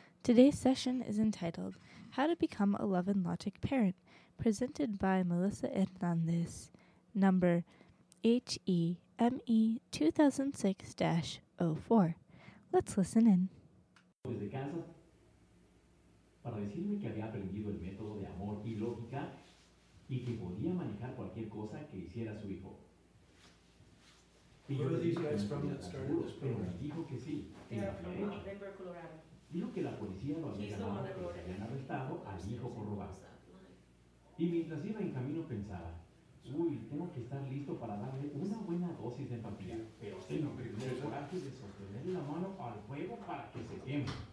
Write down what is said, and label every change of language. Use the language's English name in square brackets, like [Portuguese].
[English] Today's session is entitled How to Become a Love and Logic Parent, presented by Melissa Hernandez, number HEME 2006-04. Let's listen in. [Spanish] Desde casa, para decirme que había aprendido el método de amor y lógica y que podía manejar cualquier cosa que hiciera su hijo. [English] Who are these guys from that started this program? [Spanish] Pero dijo que sí. [English] They're from Denver, Colorado. [Spanish] Dijo que la policía lo había llamado y se habían arrestado al hijo por robar. Y mientras iba en camino pensaba, uy, tengo que estar listo para darle una buena dosis de empatía. Pero tengo que tener el coraje de sostener la mano al fuego para que se queme.